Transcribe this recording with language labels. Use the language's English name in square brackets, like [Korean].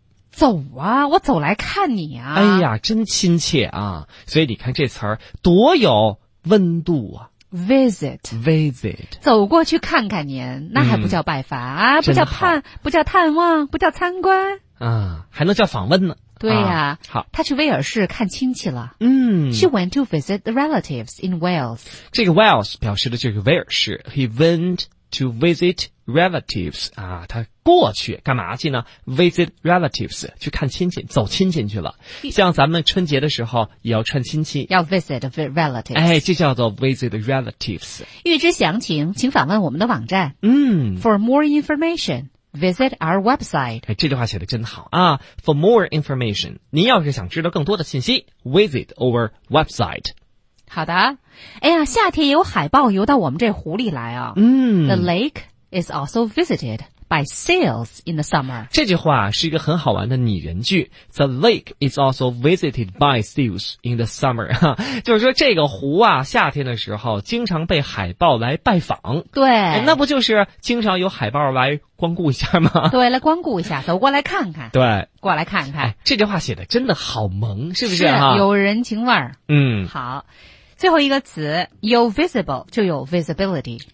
[Chinese] 走啊，我走来看你啊。哎呀，真亲切啊。所以你看这词儿多有温度啊。 [English] visit visit [Chinese] 走过去看看您，那还不叫拜访、啊，不叫盼，不叫探望，不叫参观啊，还能叫访问呢。对呀、啊啊，好，他去威尔士看亲戚了。嗯 [English] ，She went to visit the relatives in Wales。 [Chinese] 这个 Wales 表示的就是威尔士。 He went to visit relatives 啊，他过去干嘛去呢 ？ Visit relatives 去看亲戚，走亲戚去了。像咱们春节的时候也要串亲戚， [English] 要 visit relatives。 [Chinese] 哎，这叫做 visit relatives。预知详情，请访问我们的网站。嗯 [English] ，For more information。 Visit our website. [Chinese] 这句话写得真好啊。 For more information, 您要是想知道更多的信息 , visit our website. 好的。哎呀，夏天有海豹游到我们这湖里来啊。嗯。 [English] The lake is also visited by seals in the summer. [Chinese] 这句话是一个很好玩的拟人句。 [English] The lake is also visited by seals in the summer. [Chinese] 就是说这个湖啊夏天的时候经常被海豹来拜访。对。哎、那不就是经常有海豹来光顾一下吗？对，来光顾一下，走过来看看。对，过来看看。哎、这句话写的真的好萌，是不是、啊、是，有人情味儿。嗯。好。最后一个词有 visible 就有 visibility，